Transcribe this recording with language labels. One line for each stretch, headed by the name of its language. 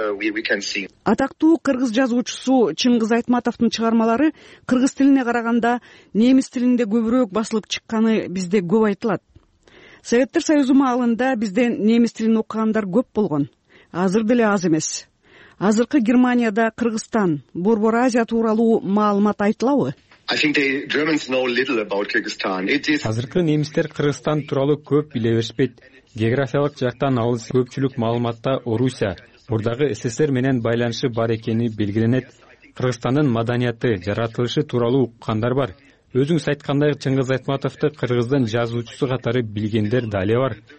Kyrgyz: Атактуу кыргыз жазуучусу Чыңгыз Айтматовдун чыгармалары кыргыз тилине караганда немис тилинде көбүрөөк басылып чыкканы бизде көп айтылат. Советтер Союзу маалында бизде немис тилин окугандар көп болгон. Азыр деле аз эмес. Азыркы Германияда Кыргызстан, Борбор Азия тууралуу маалымат айтылабы?
English: I think the Germans know little about Kyrgyzstan. It is
Kyrgyz: Азыркы немистер Кыргызстан тууралуу көп биле беришпейт. Географиялык жактан алыс көпчүлүк маалыматта Орусия, мурдагы СССР менен байланышы бар экени белгиленет. Кыргызстандын маданияты, жаратылышы тууралуу уккандар бар. Өзүңүз айткандай Чыңгыз Айтматовду кыргыздын жазуучусу катары билгендер дале бар.